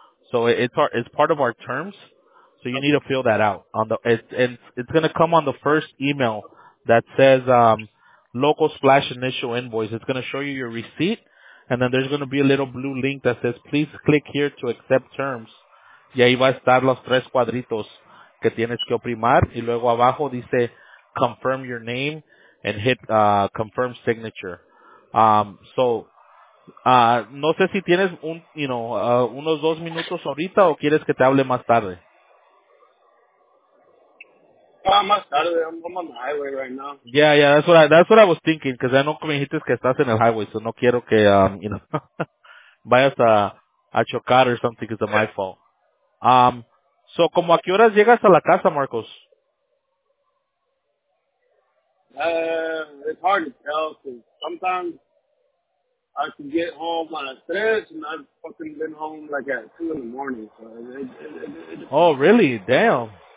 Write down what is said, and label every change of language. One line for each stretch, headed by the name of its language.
English: So it's part of our terms. So you need to fill that out. It's going to come on the first email that says local/initial invoice. It's going to show you your receipt, and then there's going to be a little blue link that says, please click here to accept terms.
Spanish: Y ahí va a estar los tres cuadritos que tienes que oprimar. Y luego abajo dice,
English: confirm your name and hit confirm signature.
Spanish: No sé si tienes unos dos minutos ahorita o quieres que te hable más tarde. Más tarde,
English: I'm on the highway right now. Yeah, that's what I was thinking, because I know
Spanish: me dijiste que estás en el highway, so no quiero que, vayas a chocar
English: or something, because of my fault. So,
Spanish: ¿como a qué horas llegas a la casa, Marcos?
English: It's hard to tell, because sometimes I can get home on a stretch, and I've fucking been home like at 2 in the morning. So Oh, really? Damn.